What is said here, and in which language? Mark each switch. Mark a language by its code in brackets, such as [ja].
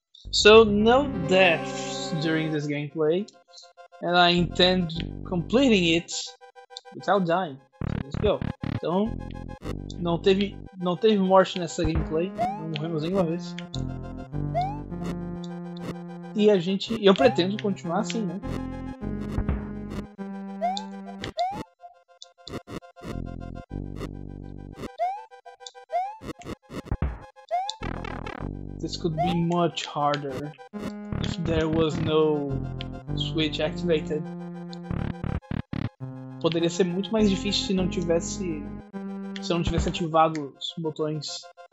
[en] So, no deaths during this gameplay, and I intend completing it without dying. So let's go. [pt] Então, não teve morte nessa gameplay, não morremos nenhuma vez. E a gente... eu pretendo continuar assim, né? [en] This could be much harder if there was no switch activated. [pt] Poderia ser muito mais difícil se não tivesse... se eu não tivesse ativado os botões.